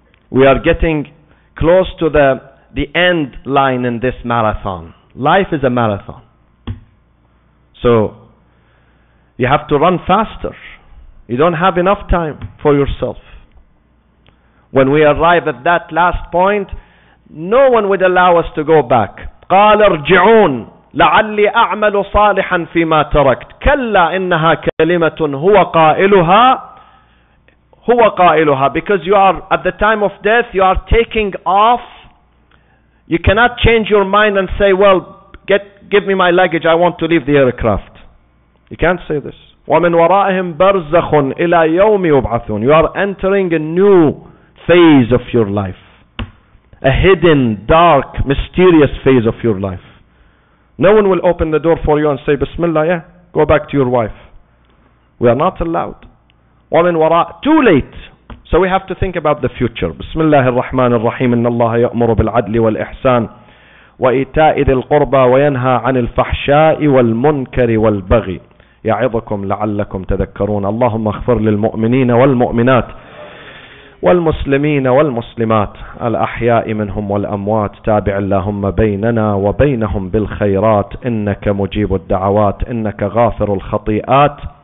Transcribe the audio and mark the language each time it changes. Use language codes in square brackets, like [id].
[en] We are getting close to the end line in this marathon. Life is a marathon. So, you have to run faster. You don't have enough time for yourself. When we arrive at that last point, no one would allow us to go back. [ar] قال ارجعون لعلي أعمل صالحا فيما تركت كلا إنها كلمة هو قائلها. [en] Because you are at the time of death, you are taking off. You cannot change your mind and say, well, give me my luggage, I want to leave the aircraft. You can't say this. [ar] ومن ورائهم برزخ إلى يوم يبعثون. [en] You are entering a new phase of your life. A hidden, dark, mysterious phase of your life. No one will open the door for you and say, Bismillah, yeah, go back to your wife. We are not allowed. [ar] وَمِنْ وَرَاءَ [en] Too late. So we have to think about the future. [ar] بسم الله الرحمن الرحيم إن الله يأمر بالعدل والإحسان وإيتاء ذي القربى وينهى عن الفحشاء والمنكر والبغي يعظكم لعلكم تذكرون. اللهم اغفر للمؤمنين والمؤمنات والمسلمين والمسلمات الأحياء منهم والأموات تابع اللهم بيننا وبينهم بالخيرات إنك مجيب الدعوات إنك غافر الخطيئات